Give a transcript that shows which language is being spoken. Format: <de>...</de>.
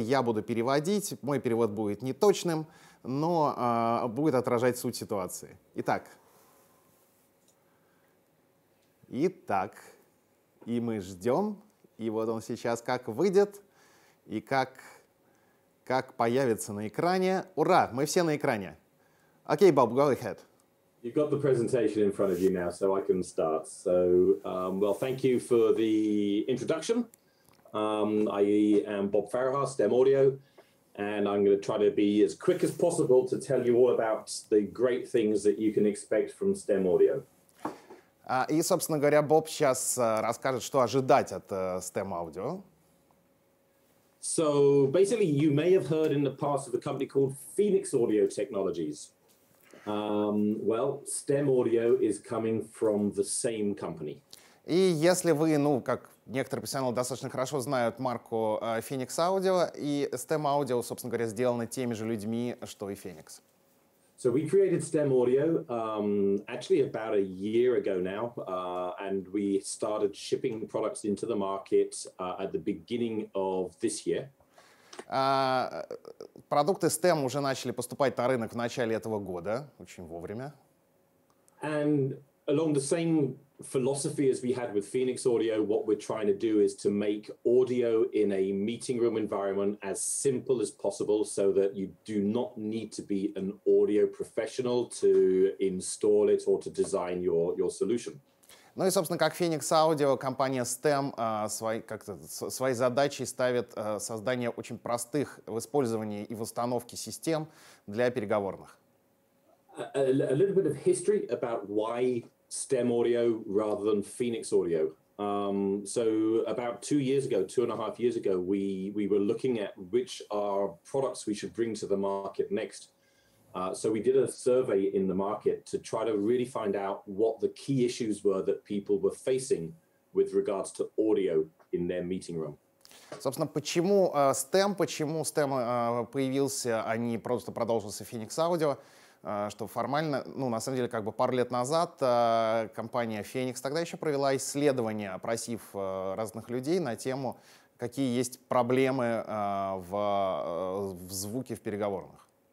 <ru>Я буду переводить. Мой перевод будет неточным, но будет отражать суть ситуации. Итак, и мы ждем. И вот он сейчас как выйдет, и как появится на экране. Ура, мы все на экране. Окей, Боб,</ru> <en>go ahead. You've got the presentation in front of you now, so I can start. So, well, thank you for the introduction. I am Bob Fairhouse, STEM Audio, and I'm going to try to be as quick as possible to tell you all about the great things that you can expect from STEM Audio.</en> <ru>И, собственно говоря, Боб сейчас расскажет, что ожидать от STEM Audio.</ru> <en>So, basically, you may have heard in the past of a company called Phoenix Audio Technologies. Well, STEM Audio is coming from the same company.</en> <ru>И если вы, ну, как некоторые профессионалы достаточно хорошо знают марку Phoenix Audio, и STEM Audio, собственно говоря, сделаны теми же людьми, что и Phoenix.</ru> <en>So we created STEM Audio actually about a year ago now, and we started shipping products into the market at the beginning of this year.</en> <ru>Продукты STEM уже начали поступать на рынок в начале этого года, очень вовремя.</ru> <en>And along the same philosophy as we had with Phoenix Audio, what we're trying to do is to make audio in a meeting room environment as simple as possible, so that you do not need to be an audio professional to install it or to design your solution.</en> <ru>Ну и, собственно, как Phoenix Audio, компания STEM своей задачей ставит создание очень простых в использовании и в установке систем для переговорных.</ru> <en>A little bit of history about why STEM Audio rather than Phoenix Audio. So about two and a half years ago, we were looking at which are products we should bring to the market next. So we did a survey in the market to try to really find out what the key issues were that people were facing with regards to audio in their meeting room.</en> <ru>Собственно, почему STEM, почему STEM появился, а не просто продолжился Phoenix Audio, что формально, ну, на самом деле, как бы пару лет назад компания Phoenix тогда еще провела исследование, опросив разных людей на тему, какие есть проблемы в звуке в переговорных.</ru>